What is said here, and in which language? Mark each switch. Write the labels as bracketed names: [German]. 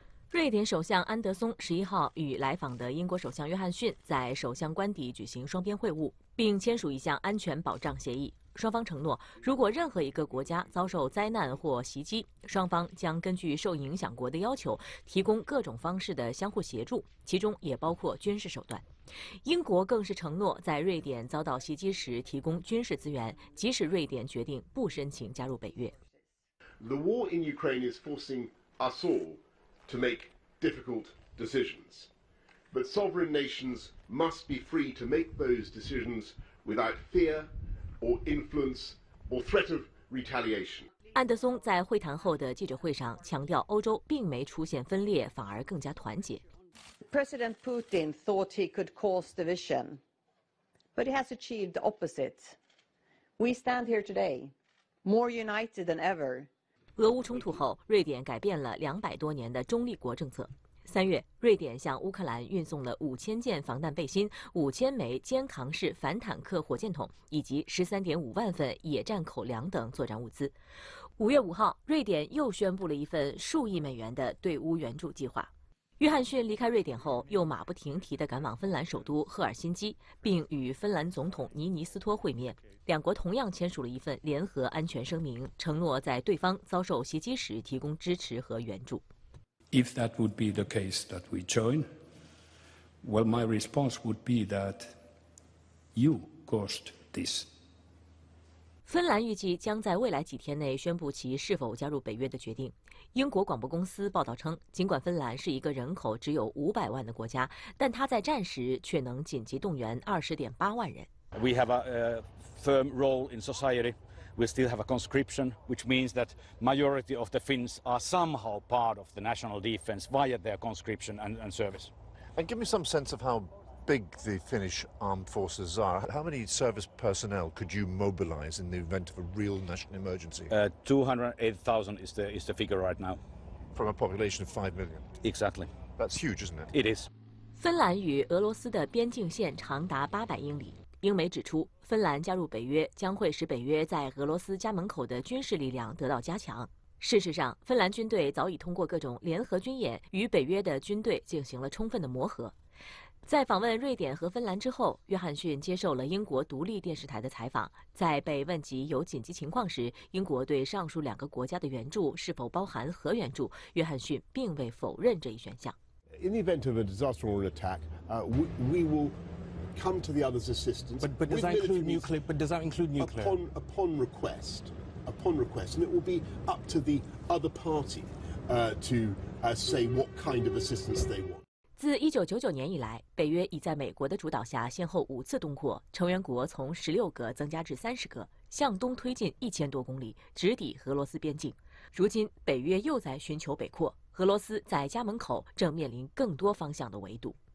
[Chinese] 瑞典首相安德松11号与来访的英国首相约翰逊在首相官邸举行双边会晤，并签署一项安全保障协议，双方承诺如果任何一个国家遭受灾难或袭击，双方将根据受影响国的要求提供各种方式的相互协助，其中也包括军事手段。英国更是承诺在瑞典遭到袭击时提供军事资源，即使瑞典决定不申请加入北约。 [English] The war in Ukraine is forcing us all to make difficult decisions. But sovereign nations must be free to make those decisions without fear or influence or threat of retaliation. [Chinese] 安德松在会谈后的记者会上强调，欧洲并没出现分裂，反而更加团结。 [English] President Putin thought he could cause division, but he has achieved the opposite. We stand here today, more united than ever. [Chinese] 俄乌冲突后，瑞典改变了200多年的中立国政策。三月，瑞典向乌克兰运送了5000件防弹背心、5000枚肩扛式反坦克火箭筒以及13.5万份野战口粮等作战物资。 5月5号，瑞典又宣布了一份数亿美元的对乌援助计划。约翰逊离开瑞典后，又马不停蹄地赶往芬兰首都赫尔辛基，并与芬兰总统尼尼斯托会面。两国同样签署了一份联合安全声明，承诺在对方遭受袭击时提供支持和援助。 [English] If that would be the case that we join, well, my response would be that you caused this. [Chinese] 芬兰预计将在未来几天内宣布其是否加入北约的决定。英国广播公司报道称，尽管芬兰是一个人口只有500万的国家，但它在战时却能紧急动员20.8万人。 [English] We have a firm role in society. We still have a conscription, which means that majority of the Finns are somehow part of the national defense via their conscription and service. And give me some sense of how big the Finnish armed forces are. How many service personnel could you mobilize in the event of a real national emergency? 208,000 is the figure right now. From a population of 5 million? Exactly. That's huge, isn't it? It is. [Chinese] 芬兰与俄罗斯的边境线长达800英里。英媒指出，芬兰加入北约将会使北约在俄罗斯家门口的军事力量得到加强。事实上，芬兰军队早已通过各种联合军演与北约的军队进行了充分的磨合。在访问瑞典和芬兰之后，约翰逊接受了英国独立电视台的采访。在被问及有紧急情况时，英国对上述两个国家的援助是否包含核援助，约翰逊并未否认这一选项。 [English] In the event of a disaster or an attack, we will come to the other's assistance. But does that include nuclear? But does that include nuclear? Upon request, and it will be up to the other party to say what kind of assistance they want. [Chinese] 自1999年以来，北约已在美国的主导下先后5次东扩，成员国从16个增加至30个，向东推进1000多公里，直抵俄罗斯边境。如今，北约又在寻求北扩，俄罗斯在家门口正面临更多方向的围堵。